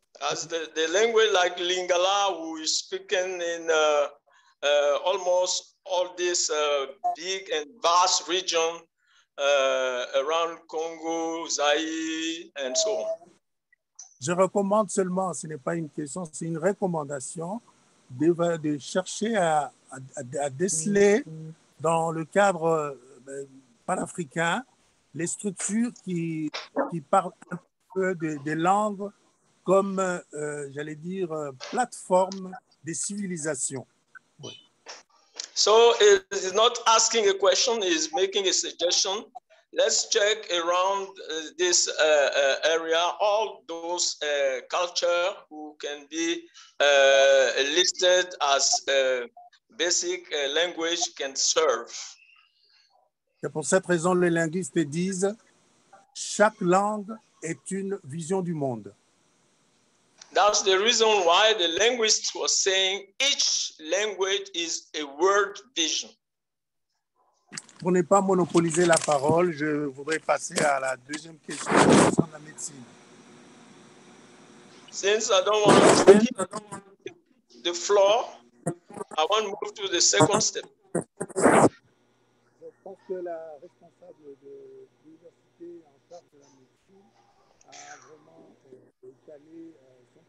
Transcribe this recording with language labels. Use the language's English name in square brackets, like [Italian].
[English] As the language like Lingala, who is speaking in almost all this big and vast region around Congo, Zaïre, and so on. [French] Je recommande seulement, ce n'est pas une question, c'est une recommandation de chercher à déceler dans le cadre panafricain les structures qui parlent un peu des langues comme, j'allais dire, plateforme des civilisations. Oui. [English] So, it's not asking a question, it's making a suggestion. Let's check around this area all those cultures who can be listed as a basic language can serve. [French] Et pour cette raison, les linguistes disent chaque langue est une vision du monde. [English] That's the reason why the linguists were saying each language is a world vision. [French] Pour ne pas monopoliser la parole, je voudrais passer à la deuxième question sur la médecine. [English] Since I don't want to speak the floor, I want to move to the second step. [French] Je pense que la responsable de l'université en charge de la médecine a vraiment étalé son